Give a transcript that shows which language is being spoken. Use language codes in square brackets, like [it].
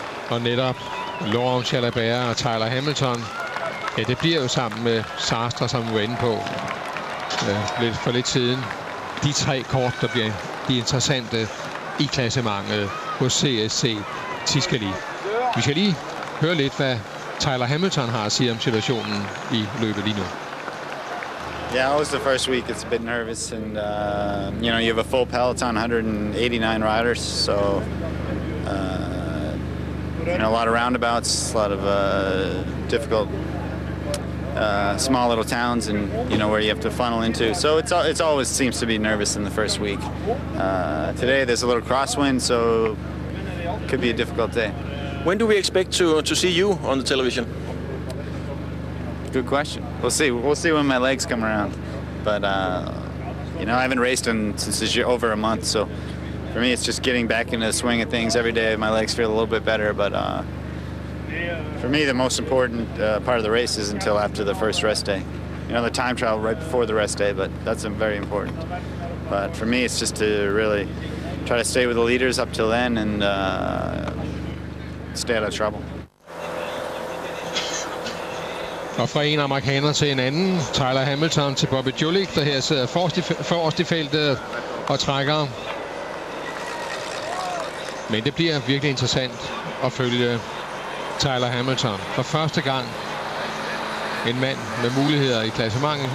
[da] Og netop Laurent Chalabert og Tyler Halimton. Ja, det bliver jo sammen med Sastre, som vi var inde på lidt for lidt siden. De tre kort, der bliver de interessante i klassementet hos CSC Tiskali. Vi skal lige høre lidt, hvad Tyler Halimton har at sige om situationen i løbet lige nu. [en] Yeah, it was the first week. It's a bit nervous, and you know, you have a full peloton, 189 riders, so you know, a lot of roundabouts, a lot of difficult small little towns, and you know where you have to funnel into. So it's always seems to be nervous in the first week. Today there's a little crosswind, so it could be a difficult day. When do we expect to see you on the television? Good question. We'll see. We'll see when my legs come around. But you know, I haven't raced in since over a month, so. For me, it's just getting back into the swing of things. Every day, my legs feel a little bit better, but for me, the most important part of the race is until after the first rest day. You know, the time trial right before the rest day, but that's very important. But for me, it's just to really try to stay with the leaders up till then and stay out of trouble. [da] Og fra en amerikaner til en anden, Tyler Halimton til Bobby Julich, der her sidder forrest i feltet og trækker. Men det bliver virkelig interessant at følge Tyler Halimton. For første gang en mand med muligheder i klassementet.